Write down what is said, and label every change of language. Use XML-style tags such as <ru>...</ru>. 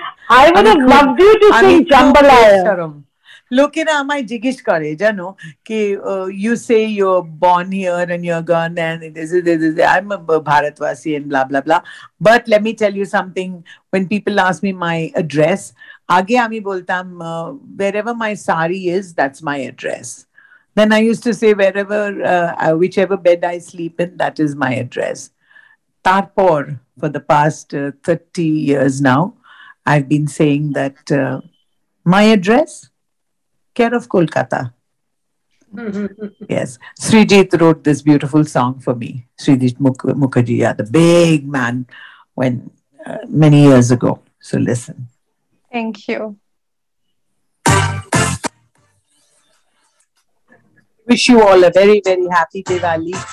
<en>I would have loved you to sing Jambalaya.</en> <bn>লোকেরা আমায় জিজ্ঞেস করে জানো কি</bn> <en>you say you're born here and you're gone and this is this is I am ভারতবাসী and blah blah blah but let me tell you something when people ask me my address</en> <bn>আগে আমি বলতাম</bn> <en>wherever my sari is that's my address then I use to say wherever whichever bed I sleep in that is my address</en> <bn>তারপর</bn> <en>For the past 30 years now I have been saying that my address Care of Kolkata. Yes. Srijit wrote this beautiful song for me. Srijit Mukherjee, the big man when many years ago. So listen. Thank you. Wish you all a very, very happy Diwali.</en>